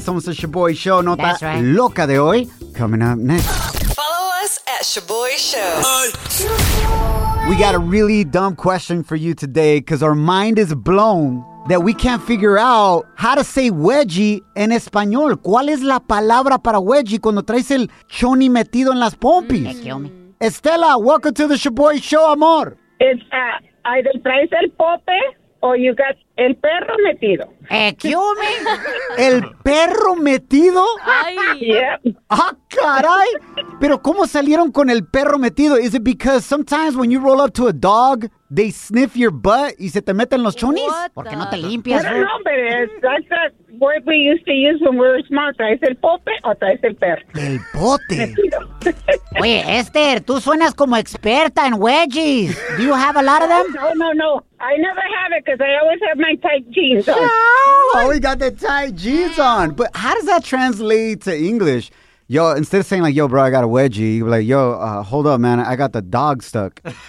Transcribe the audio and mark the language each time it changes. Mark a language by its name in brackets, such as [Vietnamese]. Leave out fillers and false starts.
[Spanish] Somos el Shaboy Show. Nota loca de hoy. [English] Coming up next. Follow us at Shaboy Show. We got a really dumb question for you today because our mind is blown that we can't figure out how to say wedgie [Spanish] en español. ¿Cuál es la palabra para wedgie cuando traes el choni metido en las pompis? [English] Estela, welcome to the Shaboy Show, amor. It's either [Spanish] traes el pope [English] or you got [Spanish] el perro metido. ¿Equiome? ¿El perro metido? Ay. [English] Yep. [Spanish] ¡Ah, caray! ¿Pero cómo salieron con el perro metido? [English] Is it because sometimes when you roll up to a dog, they sniff your butt [Spanish] y se te meten los chonis? Porque no te limpias. [English] No, pero that's the word we used to use when we were smart. [Spanish] ¿Traes el pope o traes el perro? ¡El bote! Oye, Esther, tú suenas como experta en wedgies. [English] Do you have a lot of them? No. I never have it because I always have my tight jeans on. Oh, we got the tight jeans on. But how does that translate to English? Yo, instead of saying like, yo, bro, I got a wedgie, you'd be like, yo, hold up, man, I got the dog stuck.